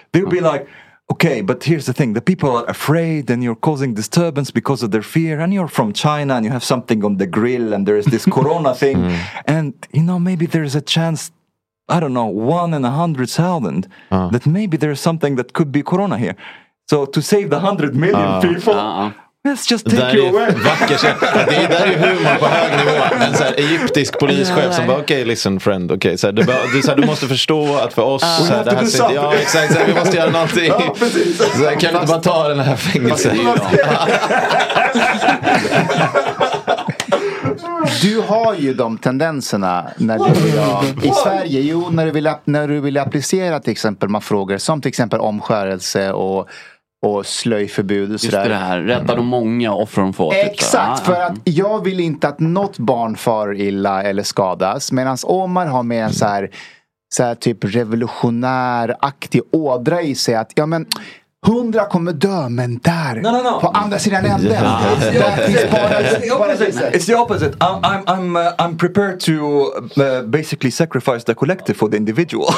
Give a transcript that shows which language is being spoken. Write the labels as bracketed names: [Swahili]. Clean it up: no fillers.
[English] They would be like, okay, but here's the thing: the people are afraid, and you're causing disturbance because of their fear. And you're from China, and you have something on the grill, and there is this Corona thing. And you know, maybe there is a chance. I don't know, 1 in 100,000 that maybe there is something that could be Corona here. So to save the 100 million people, Let's just take you away. [Swedish] Vacker, så, det är där är humor på hög nivå. En så här egyptisk polischef som bara okej, [English] listen friend, [Swedish] okej, så här, du måste förstå att för oss så här, det här sitter, ja exakt, så här, vi måste göra någonting. Ja, så här, kan du inte bara ta den här fängelsen? Du har ju de tendenserna när du i Sverige, jo, när du vill applicera till exempel man frågar som till exempel omskärelse och slöjförbud och just sådär. Just det här, rädda de många och offra de få. Exakt, för att jag vill inte att något barn far illa eller skadas. Medan Omar har med en så här typ revolutionäraktig ådra i sig att, ja men... 100 kommer dö, men där på andra sidan änden. [English] Yeah. It's the opposite. I'm prepared to basically sacrifice the collective for the individual.